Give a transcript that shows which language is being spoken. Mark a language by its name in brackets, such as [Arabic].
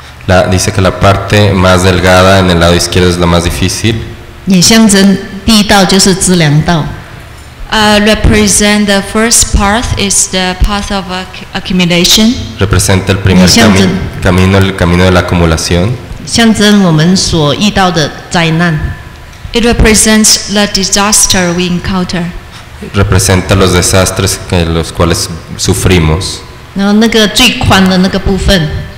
[Spanish] Dice que la parte más delgada en el lado izquierdo es la más difícil。 [Chinese] 也象征第一道就是资粮道。 [English] Represent the first part is the path of accumulation. [Spanish] Representa el primer camino, el camino de la acumulación. [Chinese] 象征我们所遇到的灾难。 [English] It represents the disaster we encounter. [Spanish] Representa los desastres que los cuales sufrimos. [Chinese] 然后那个最宽的那个部分。